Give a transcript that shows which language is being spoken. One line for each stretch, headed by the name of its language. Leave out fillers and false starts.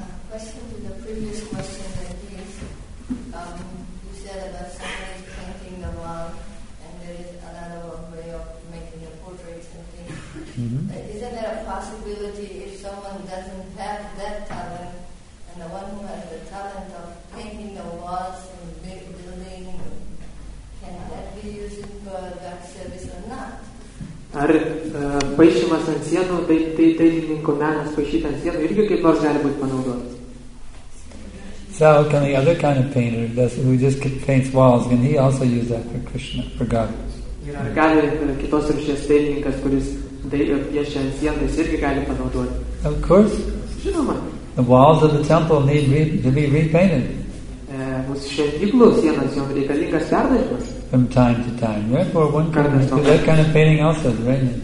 English: Question to the previous question, that is, you said about somebody painting the wall, and there is another way of making a portrait, something. Mm-hmm. Isn't there a possibility if someone doesn't have that talent, and the one who has the talent of painting the walls and building, can that be used for that service or not?
Lithuanian: Ar paišymas ant sienų, tai dailininko menas paišyti ant sienų irgi kaip nors gali būti panaudotas.
English: So can the other kind of painter who just paints walls, can he also use that for Krishna, for God?
Lithuanian: Ar gali kitos rūšies dailininkas, kuris piešia ant sienų, irgi gali panaudoti?
English: Of course.
Lithuanian: Žinoma.
English: The walls of the temple need to be repainted.
Lithuanian: Mūsų šventyklų sienas, jom reikalingas perdažymas.
English: From time to time. Therefore, one can do that kind of painting also, right?